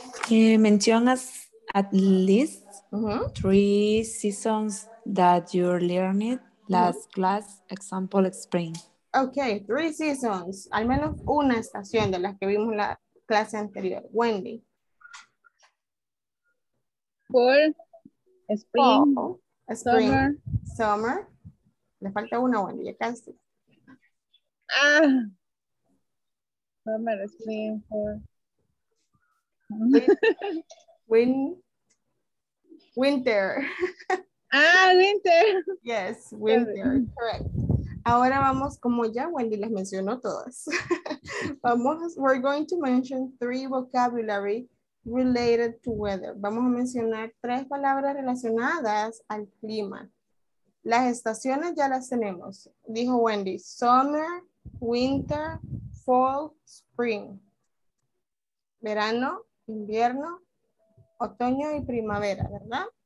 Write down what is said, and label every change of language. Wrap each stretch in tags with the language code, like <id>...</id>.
<en>Mention us at least three seasons that you learned last class, example, spring. Okay, three seasons.</en> <es>Al menos una estación de las que vimos la clase anterior. Wendy.</es> <en>Fall, spring, spring, summer.</en> <es>Le falta una, Wendy, ya casi. Ah.</es> <en>Summer, spring, fall. Winter. Ah, winter. Yes, winter. Correct.</en> <es>Ahora vamos, como ya Wendy las mencionó todas.</es> <en>Vamos, we're going to mention three vocabulary related to weather.</en> <es>Vamos a mencionar tres palabras relacionadas al clima. Las estaciones ya las tenemos. Dijo Wendy,</es> <en>summer, winter, fall, spring.</en> <es>Verano, invierno, otoño y primavera, ¿verdad?</es>